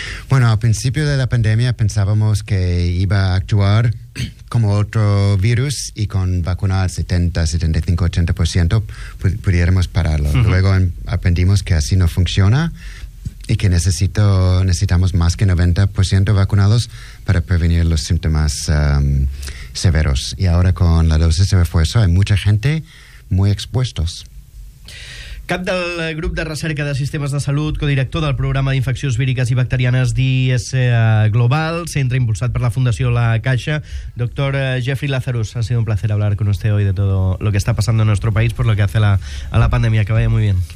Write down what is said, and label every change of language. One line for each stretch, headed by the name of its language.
Spanish: Bueno, al principio de la pandemia pensábamos que iba a actuar como otro virus y con vacunar 70, 75, 80% pudiéramos pararlo. Uh-huh. Luego aprendimos que así no funciona y que necesitamos más que 90% vacunados para prevenir los síntomas severos. Y ahora con la dosis de refuerzo hay mucha gente muy expuestos.
Catalan: Cap del grup de recerca de sistemes de salut, codirector del programa d'infeccions víriques i bacterianes d'IS Global, centre impulsat per la Fundació La Caixa.
Spanish: Doctor Jeffrey Lazarus, ha sido un placer hablar con usted hoy de todo lo que está pasando en nuestro país por lo que hace a la pandemia. Que vaya muy bien.